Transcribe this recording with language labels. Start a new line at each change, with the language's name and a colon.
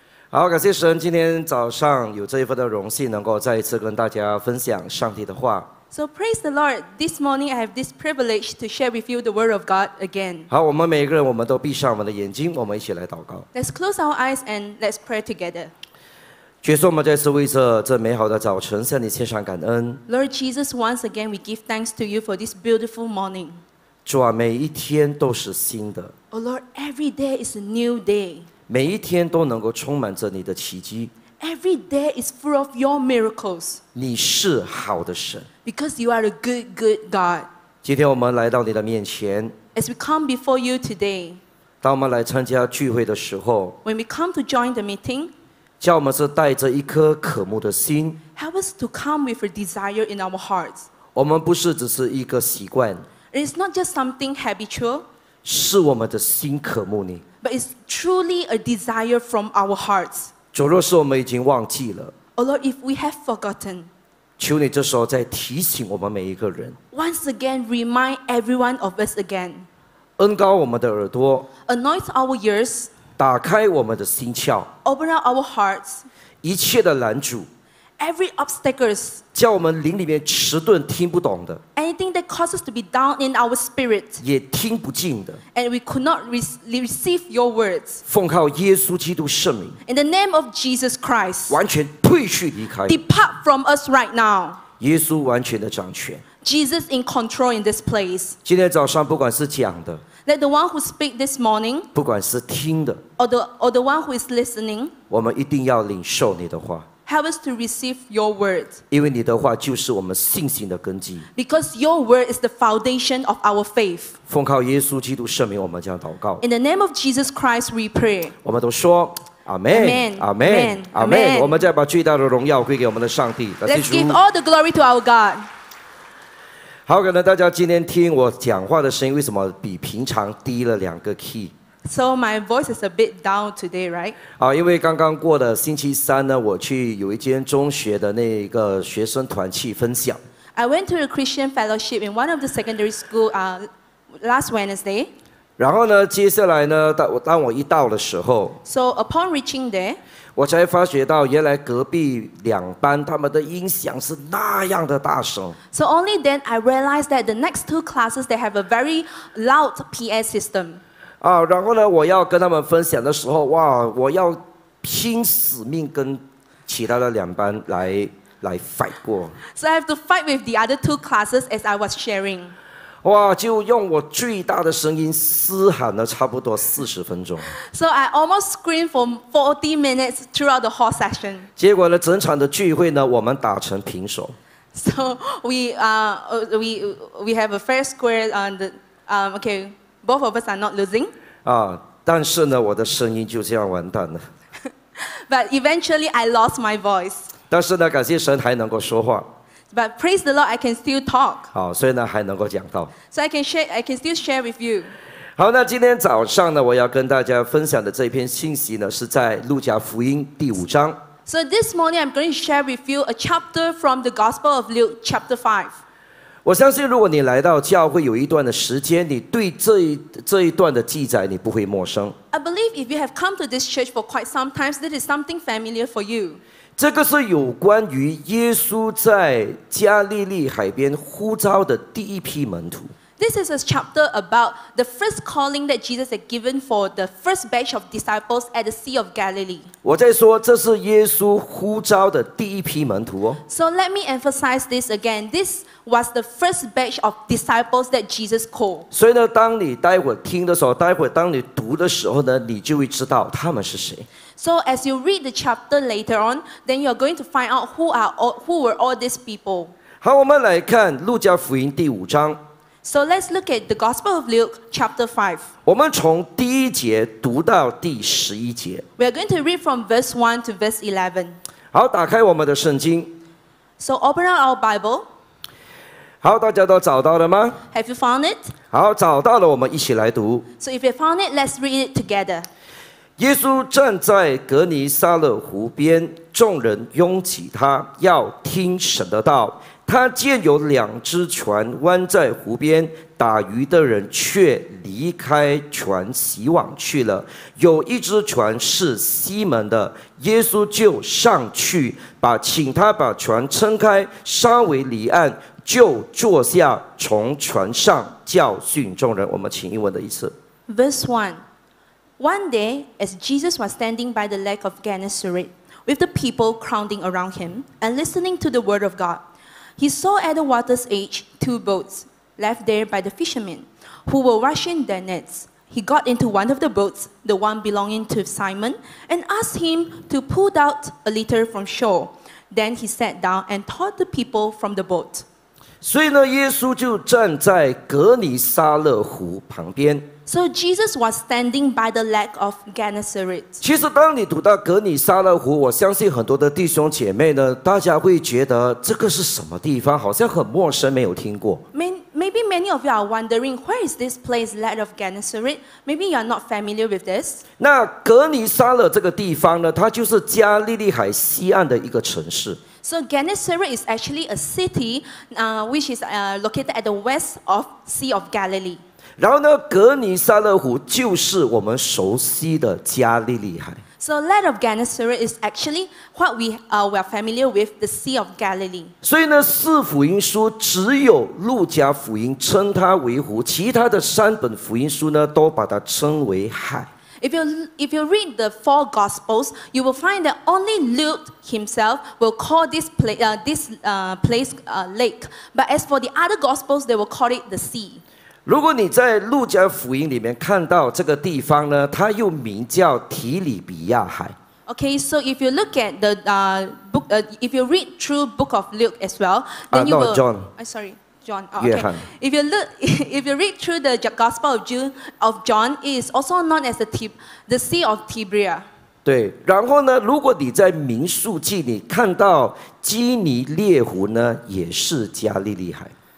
Chinese: 好，感谢神，今天早上有这一份的荣幸，能够再一次跟大家分享上帝的话。
English: So praise the Lord. This morning I have this privilege to share with you the word of God again.
Chinese: 好，我们每个人，我们都闭上我们的眼睛，我们一起来祷告。
English: Let's close our eyes and let's pray together.
Chinese: 主耶稣，我们再次为这美好的早晨向你献上感恩。
English: Lord Jesus, once again we give thanks to you for this beautiful morning.
Chinese: 主啊，每一天都是新的。
English: Oh Lord, every day is a new day.
Chinese: 每一天都能够充满着你的奇迹。
English: Every day is full of your miracles.
Chinese: 你是好的神。
English: Because you are a good, good God.
Chinese: 今天我们来到你的面前。
English: As we come before you today.
Chinese: 当我们来参加聚会的时候。
English: When we come to join the meeting.
Chinese: 叫我们是带着一颗渴慕的心。
English: Help us to come with a desire in our hearts.
Chinese: 我们不是只是一个习惯。
English: It's not just something habitual.
Chinese: 是我们的心渴慕你。
English: But it's truly a desire from our hearts.
Chinese: 主，若是我们已经忘记了
English: ，Oh Lord, if we have forgotten,
Chinese: 求你这时候再提醒我们每一个人
English: ，Once again, remind everyone of us again,
Chinese: 恩膏我们的耳朵
English: ，Anoint our ears,
Chinese: 打开我们的心窍
English: ，Open up our hearts,
Chinese: 一切的拦阻
English: ，Every obstacles,
Chinese: 叫我们灵里面迟钝听不懂的
English: ，Anything that causes to be down in our spirit,
Chinese: 也听不进的
English: ，And we could not receive your words,
Chinese: 奉靠耶稣基督圣名。
English: In the name of Jesus Christ,
Chinese: 完全退去离开。
English: Depart from us right now.
Chinese: 耶稣完全的掌权。
English: Jesus in control in this place.
Chinese: 今天早上不管是讲的
English: ，Let the one who speak this morning,
Chinese: 不管是听的
English: ，or the one who is listening,
Chinese: 我们一定要领受你的话。
English: Help us to receive your word.
Chinese: 因为你的话就是我们信心的根基。
English: Because your word is the foundation of our faith.
Chinese: 奉靠耶稣基督圣名，我们这样祷告。
English: In the name of Jesus Christ, we pray.
Chinese: 我们都说。Amen.
English: Amen. Amen.
Chinese: Amen. 我们再把最大的荣耀归给我们的上帝。
English: Let's give all the glory to our God.
Chinese: 好，可能大家今天听我讲话的声音为什么比平常低了两个 key？
English: So my voice is a bit down today, right?
Chinese: 好，因为刚刚过的星期三呢，我去有一间中学的那个学生团契分享。
English: I went to a Christian fellowship in one of the secondary school last Wednesday.
Chinese: 然后呢，接下来呢，当我一到的时候
English: ，So upon reaching there，
Chinese: 我才发觉到原来隔壁两班他们的音响是那样的大声。
English: So only then I realized that the next two classes they have a very loud PA system。
Chinese: 啊，然后呢，我要跟他们分享的时候，哇，我要拼死命跟其他的两班来 fight 过。
English: So I have to fight with the other two classes as I was sharing。
Chinese: 哇，就用我最大的声音嘶喊了差不多四十分钟。
English: So I almost screamed for 40 minutes throughout the whole session。
Chinese: 结果呢，整场的聚会呢，我们打成平手。
English: So we have a fair square on the okay, both of us are not losing。
Chinese: 啊，但是呢，我的声音就这样完蛋了。
English: But eventually I lost my voice。
Chinese: 但是呢，感谢神还能够说话。
English: But praise the Lord, I can still talk.
Chinese: 好，所以呢还能够讲到。
English: So I can still share with you.
Chinese: 好，那今天早上呢，我要跟大家分享的这篇信息呢，是在路加福音第五章。
English: So this morning I'm going to share with you a chapter from the Gospel of Luke, chapter 5.
Chinese: 我相信，如果你来到教会有一段的时间，你对这一段的记载你不会陌生。
English: I believe if you have come to this church for quite some time, this is something familiar for you.
Chinese: 这个是有关于耶稣在加利利海边呼召的第一批门徒。
English: This is a chapter about the first calling that Jesus had given for the first batch of disciples at the Sea of Galilee.
Chinese: 我在说这是耶稣呼召的第一批门徒哦。
English: So let me emphasize this again. This was the first batch of disciples that Jesus called.
Chinese: 所以呢，当你待会听的时候，待会当你读的时候呢，你就会知道他们是谁。
English: So as you read the chapter later on, then you're going to find out who were all these people.
Chinese: 好，我们来看路加福音第五章。
English: So let's look at the Gospel of Luke, chapter 5.
Chinese: 我们从第一节读到第十一节。
English: We are going to read from verse 1 to verse 11.
Chinese: 好，打开我们的圣经。
English: So open up our Bible.
Chinese: 好，大家都找到了吗？
English: Have you found it?
Chinese: 好，找到了，我们一起来读。
English: So if you found it, let's read it together.
Chinese: 耶稣站在格尼撒勒湖边，众人拥挤他，要听神的道。他见有两只船弯在湖边，打鱼的人却离开船洗网去了。有一只船是西门的，耶稣就上去，请他把船撑开，稍微离岸，就坐下，从船上教训众人。我们请英文的一次。
English: Verse 1. One day, as Jesus was standing by the lake of Gennesaret, with the people crowding around him and listening to the word of God, he saw at the water's edge two boats left there by the fishermen who were washing their nets. He got into one of the boats, the one belonging to Simon, and asked him to pull out a little from shore. Then he sat down and taught the people from the boat.
Chinese: 所以呢，耶稣就站在格尼撒勒湖旁边。
English: So Jesus was standing by the lake of Gennesaret.
Chinese: 其实当你读到格尼撒勒湖，我相信很多的弟兄姐妹呢，大家会觉得这个是什么地方，好像很陌生，没有听过。
English: Maybe many of you are wondering where is this place, lake of Gennesaret. Maybe you are not familiar with this.
Chinese: 那格尼撒勒这个地方呢，它就是加利利海西岸的一个城市。
English: So Gennesaret is actually a city, which is located at the west of Sea of Galilee.
Chinese: 然后呢，格尼撒勒湖就是我们熟悉的加利利海。
English: So Lake of Gennesaret is actually what we are familiar with, the Sea of Galilee.
Chinese: 所以呢，四福音书只有路加福音称它为湖，其他的三本福音书呢都把它称为海。
English: If you read the four Gospels, you will find that only Luke himself will call this place lake. But as for the other Gospels, they will call it the sea.
Chinese: 如果你在路加福音里面看到这个地方呢，它又名叫提里比亚海。
English: Okay, so if you look at the book, if you read through book of Luke as well, then you will. John. John. Oh, okay. If you read through the Gospel of John, it is also known as the Sea of Tiberia.
Chinese: 对，然后呢，如果你在民数记你看到基尼列湖呢，也是加利利海。